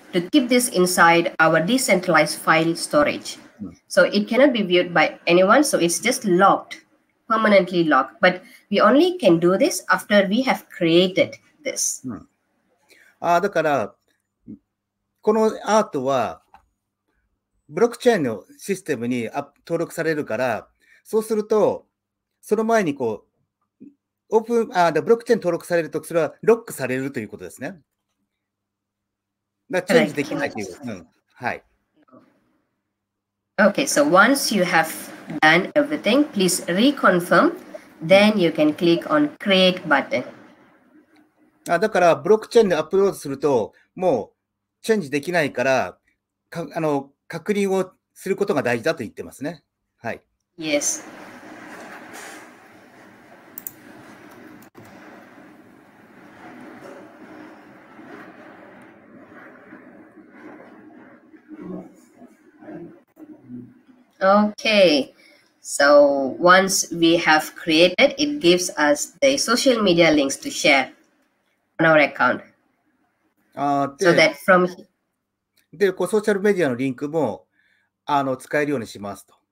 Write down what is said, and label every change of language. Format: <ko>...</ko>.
<en>to keep this inside our decentralized file storage. So it cannot be viewed by anyone. So it's just locked, permanently locked. But we only can do this after we have created this.</en> <ja>だから、このアートはブロックチェーンのシステムに登録されるから、そうすると、その前にこう、オープン、ブロックチェーン登録されると、それはロックされるということですね。だからチェンジできないという。はい。</ja> <en>Okay, so once you have done everything, please reconfirm, then you can click on create button.</en> <ja>だからブロックチェーンでアップロードするともうチェンジできないから、確認をすることが大事だと言ってますね。はい。</ja> <en>Yes. Okay, so once we have created, it gives us the social media links to share on our account. So that from</en> <ja>で、こうソーシャルメディアのリンクも使えるようにしますと。</ja>